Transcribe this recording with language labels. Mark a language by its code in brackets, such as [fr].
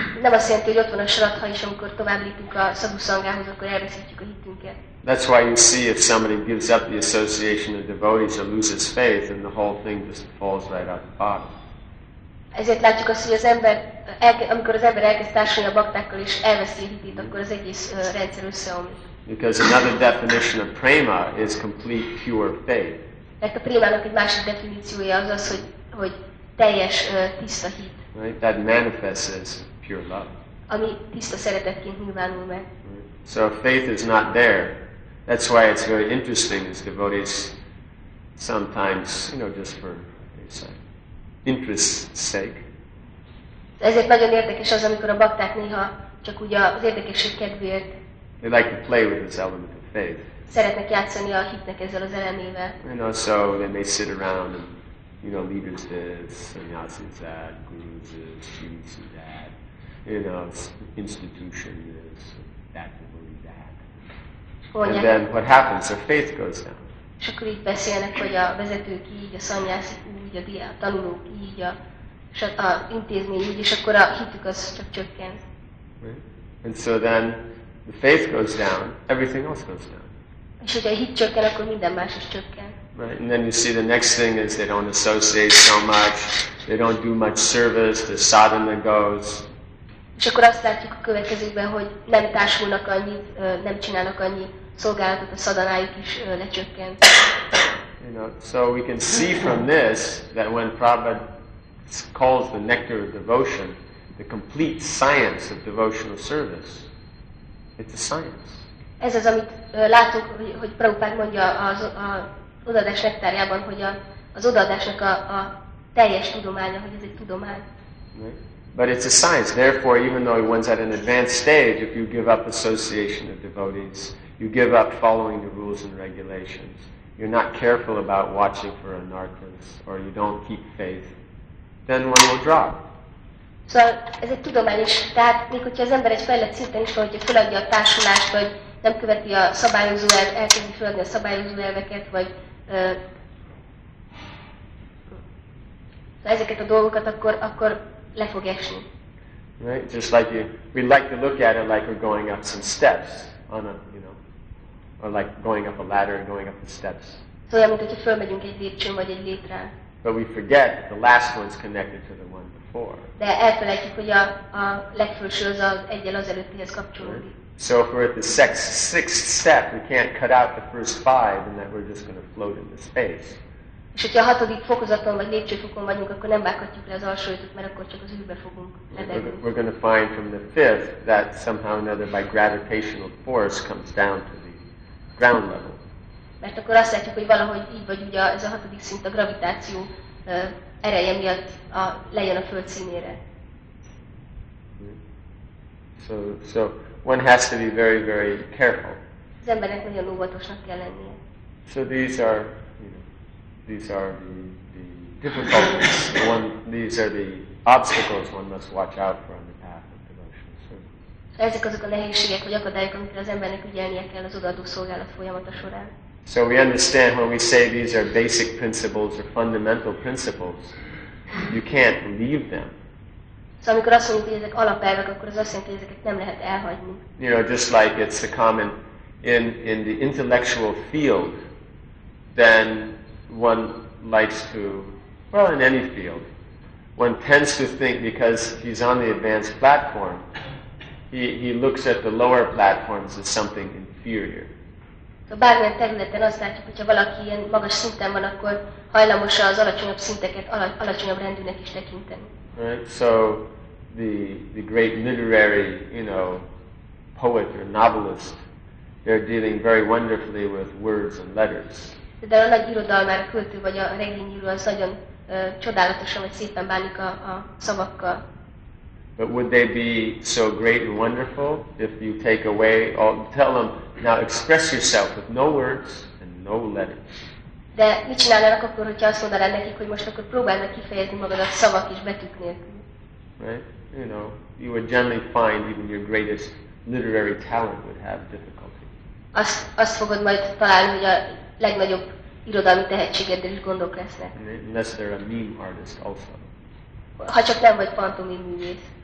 [hu] Nem azt jelenti, hogy ott van a Shraddha, és amikor tovább lépünk a sadhusangához, akkor elveszítjük a hitünket. [en] That's why you see if somebody gives up the association of devotees or loses faith, then the whole thing just falls right out the bottom. [hu] Ezért látjuk azt, hogy az ember, amikor az ember elkezd társulni a baktákkal és elveszi a hitét, akkor az egész rendszer összeomlik. [en] Because another definition of prema is complete pure faith. [hu] Mert a prémának egy másik definíciója az az, hogy teljes tiszta hit. [en] Right? That manifests as pure love. [hu] Ami tiszta szeretetként nyilvánul meg. [en] So faith is not there. That's why it's very interesting as devotees sometimes, you know, just for interest's sake. [hu] Ezért nagyon érdekes az, amikor a bakták néha csak úgy az érdekesség kedvéért. [en] They like to play with this element of faith. [hu] Szeretnek játszani a hitnek ezzel az elemével. [en] You know, so they may sit around and, you know, leaders this, sannyasis that, gurus this, chiefs that, you know, institution this, that, devotee that. And then what happens? Their faith goes down. [hu] És akkor így beszélnek, hogy a vezetők így, a szanyászik úgy, a tanulók így, és a intézmény így, és akkor a hitük az csak csökken. [en] Right. And so then the faith goes down, everything else goes down. [hu] És hogyha a hit csökken, akkor minden más is csökken. [en] Right. And then you see the next thing is they don't associate so much, they don't do much service, the sadhana goes. [hu] És akkor azt látjuk a következőkben, hogy nem társulnak annyit, nem csinálnak annyit szolgálatot, a szadanájuk is lecsökkent. [en] You know, so we can see from this that when Prabhupada calls the nectar of devotion the complete science of devotional service, it's a science. [hu] Ez az, amit látunk, hogy Prabhupada mondja az odaadás nektárjában, hogy az odaadásnak a teljes tudománya, hogy ez egy tudomány. [en] But it's a science. Therefore, even though one's at an advanced stage, if you give up association of devotees, you give up following the rules and regulations, you're not careful about watching for anarthas, or you don't keep faith, then one will drop. [hu] So, ez egy tudomány is. Tehát, még hogyha az ember egy fejlett szinten is van, hogyha feladja a társulást, vagy nem követi a szabályozó elv, elkezdi feladni a szabályozó elveket, vagy ezeket a dolgokat, akkor le fog esni. [en] Right? Just like you, we like to look at it like we're going up some steps on a, you know, or like going up a ladder and going up the steps. [hu] So, olyan, mint hogyha fölmegyünk egy lépcsőn vagy egy létrán. [en] But we forget that the last one's connected to the one before. [hu] De elfelejtjük, hogy a legfelső az egyel az előttihez kapcsolódik. [en] Right? So if we're at the sixth step, we can't cut out the first five and that we're just going to float into space. [hu] És hogyha a hatodik fokozaton vagy lépcsőfokon vagyunk, akkor nem vághatjuk le az alsó ötöt, mert akkor csak az űrbe fogunk lebegni. [en] We're going to find from the fifth that somehow or another by gravitational force comes down to the ground level. [hu] Mert akkor azt látjuk, hogy valahogy így vagy ugye ez a hatodik szint a gravitáció ereje miatt lejön a föld színére. [en] So one has to be very, very careful. [hu] Az embernek nagyon óvatosnak kell lennie. [en] So these are the difficulties. These are the obstacles one must watch out for on the path of devotional service. [hu] Ezek azok a nehézségek, vagy akadályok, amikre az embernek ügyelnie kell az odaadó szolgálat folyamata során. [en] So we understand when we say these are basic principles or fundamental principles, you can't leave them. [hu] So amikor azt mondjuk, hogy ezek alapelvek, akkor az azt jelenti, hogy ezeket nem lehet elhagyni. [en] You know, just like it's a common in the intellectual field, then one likes to, well, in any field, one tends to think because he's on the advanced platform, he looks at the lower platforms as something inferior. [hu] Ha bármilyen területen azt látjuk, hogyha valaki ilyen magas szinten van, akkor hajlamos az alacsonyabb szinteket alacsonyabb rendűnek is tekinteni. [en] Right? So the great literary, you know, poet or novelist, they're dealing very wonderfully with words and letters. [hu] De a nagy irodalmár, a költő vagy a regényíró az nagyon csodálatosan vagy szépen bánik a szavakkal. [en] But would they be so great and wonderful if you take away all, tell them, now express yourself with no words and no letters? [hu] De mit csinálnának akkor, hogyha azt mondanál nekik, hogy most akkor próbálj meg kifejezni magadat szavak és betűk nélkül? [en] Right? You know, you would generally find even your greatest literary talent would have difficulty. [hu] Azt fogod majd találni, hogy a legnagyobb irodalmi tehetségeddel is gondok lesznek. [en] Unless they're a meme artist also. [hu] Ha csak nem vagy pantomim művész.